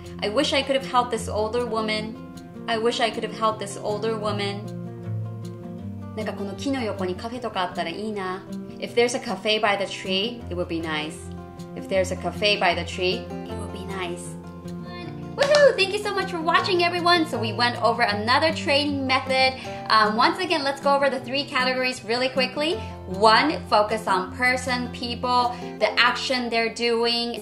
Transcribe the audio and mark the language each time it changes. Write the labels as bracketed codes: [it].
[en] I wish I could have helped this older woman. I wish I could have helped this older woman. [ja] なんかこの木の横にカフェとかあったらいいな。 [en] If there's a cafe by the tree, it would be nice. If there's a cafe by the tree, it would be nice. Woohoo! Thank you so much for watching, everyone. So we went over another training method. Once again, let's go over the three categories really quickly. One, focus on person, people, the action they're doing.